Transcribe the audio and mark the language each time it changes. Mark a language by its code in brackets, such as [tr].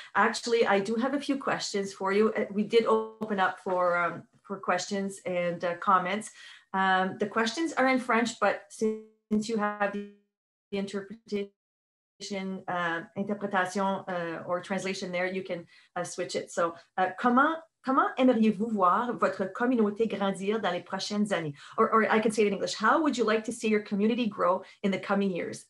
[en] Actually, I do have a few questions for you. We did open up for questions and comments. The questions are in French, but since you have the interpretation, interpretation or translation there, you can switch it. [fr] So, comment aimeriez-vous voir votre communauté grandir dans les prochaines années? [en] Or I can say it in English. How would you like to see your community grow in the coming years?